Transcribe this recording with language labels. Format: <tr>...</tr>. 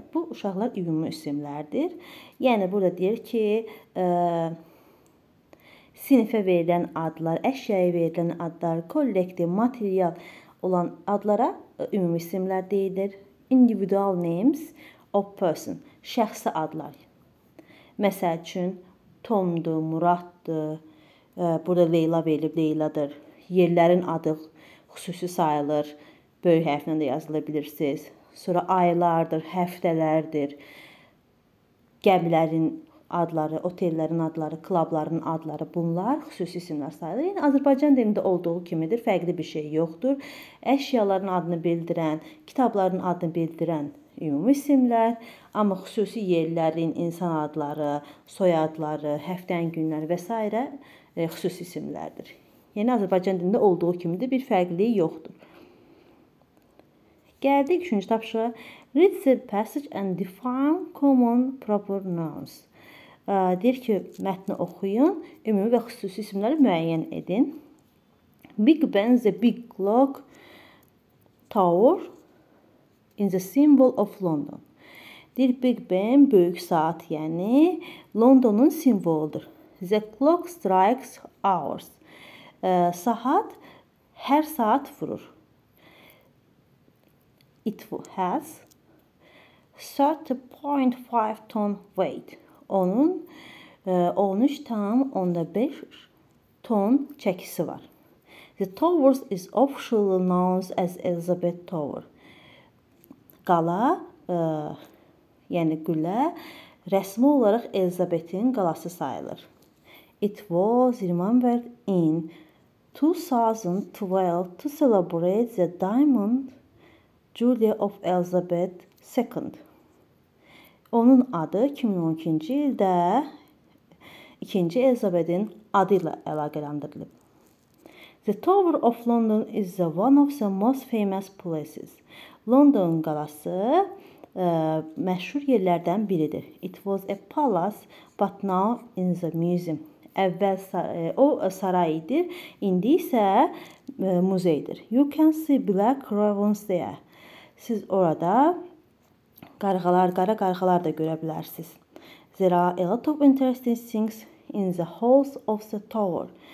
<az>Bu uşaqlar ümumi isimlərdir. Yəni burada deyir ki, sinifə verilən adlar, əşyaya verilən adlar, kollektiv, material olan adlara ümumi isimlər deyilir.</az> <en>Individual names of person.</en> <az>Şəxsi adlar. Məsəl üçün Tomdur, Muraddır, burada Leyla verilib, Leyladır. Yerlərin adı xüsusi sayılır. Böyük hərflə də yazıla bilirsiniz. Sonra aylardır, həftələrdir. Gəmilərin adları, otellerin adları, klubların adları bunlar xüsusi isimler sayılır. Yine Azərbaycan dilinde olduğu kimidir, farklı bir şey yoxdur. Eşyaların adını bildiren, kitabların adını bildiren ümumi isimler, ama xüsusi yerlerin insan adları, soyadları, həftən günler vs. xüsusi isimlerdir. Yine Azərbaycan dilinde olduğu kimidir, bir farklılığı yoxdur. Geldik üçüncü tapışa.</az> <en>Read the passage and define common proper nouns.</en> <az>Deyir ki, mətni oxuyun, ümumi və xüsusi isimleri müəyyən edin.</az> <en>Big Ben is a big clock tower in the symbol of London.</en> <az>Deyir, Big Ben büyük saat, yəni London'un simvoludur.</az> <en>The clock strikes hours.</en> <az>Saat hər saat vurur.</az> <en>It has 30.5 ton weight.</en> <az>Onun 13.5 ton çəkisi var.</az> <en>The tower is officially known as Elizabeth Tower.</en> <az>Qala, yəni qülə, rəsmi olaraq Elizabeth'in qalası sayılır.</az> <en>It was remembered in 2012 to celebrate the Diamond Jubilee of Elizabeth II.</en> <az>Onun adı 2012-ci ildə 2. Elizabeth'in adı ilə əlaqələndirilib.</az> <en>The Tower of London is the one of the most famous places.</en> <az>London qalası məşhur yerlərdən biridir.</az> <en>It was a palace, but now in the museum.</en> <az>Əvvəl o saray idi, indi isə muzeydir.</az> <en>You can see black ravens there.</en> <az>Siz orada qarğalar, qara qarğalar da görə bilərsiniz.</az> <en>Zira a lot of interesting things in the halls of the tower.</en>